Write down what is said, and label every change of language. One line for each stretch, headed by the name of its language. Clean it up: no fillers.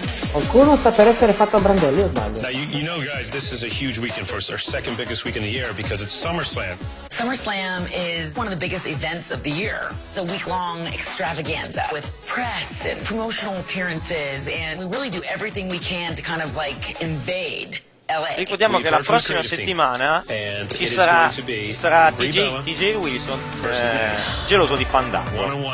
Italian: Qualcuno sta per essere fatto a brandelli, o sbaglio?
English: Now you know, guys, this is a huge weekend for us, our second biggest week in the year because it's SummerSlam. SummerSlam is one of the biggest events of the year. It's a week-long extravaganza with press and promotional appearances, and we really do everything we can to kind of like invade.
Italian: Ricordiamo che la prossima settimana ci sarà TJ Wilson geloso di Fandango.